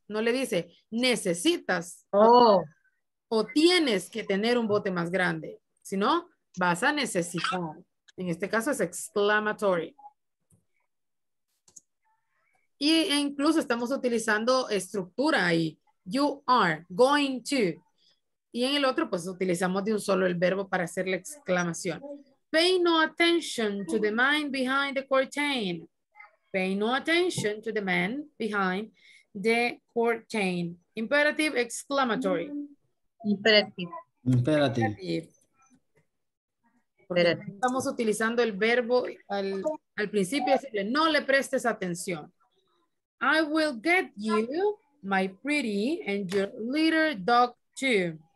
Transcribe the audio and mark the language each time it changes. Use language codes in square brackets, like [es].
[es] No le dice necesitas o tienes que tener un bote más grande, sino vas a necesitar. En este caso es exclamatory. Y incluso estamos utilizando estructura ahí. [en] You are going to. [es] Y en el otro, pues utilizamos de un solo el verbo para hacer la exclamación. [en] Pay no attention to the man behind the curtain. Pay no attention to the man behind the curtain. Imperative, exclamatory. Imperative. Imperative. Imperative. [es] Estamos utilizando el verbo al principio, decirle, no le prestes atención. [en] I will get you, my pretty, and your little dog too.